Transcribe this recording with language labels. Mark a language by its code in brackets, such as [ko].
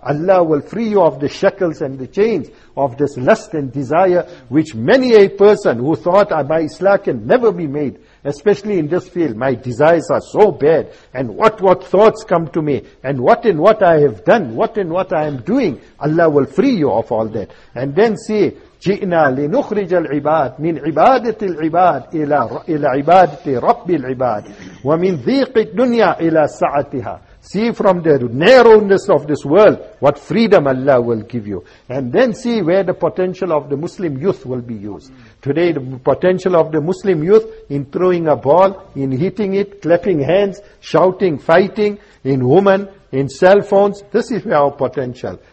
[en] Allah will free you of the shackles and the chains of this lust and desire, which many a person who thought my islah can never be made, especially in this field, my desires are so bad, and what thoughts come to me, and what I have done, what and what I am doing, Allah will free you of all that. And then see, [ar] جِئْنَا لِنُخْرِجَ الْعِبَادِ مِنْ عِبَادَةِ الْعِبَادِ إِلَى عِبَادَةِ رَبِّ الْعِبَادِ وَمِنْ ضِيقِ الدُّنْيَا إِلَى سَعَتِهَا. [en] See from the narrowness of this world, what freedom Allah will give you. And then see where the potential of the Muslim youth will be used. Today the potential of the Muslim youth in throwing a ball, in hitting it, clapping hands, shouting, fighting, in women, in cell phones, this is our potential.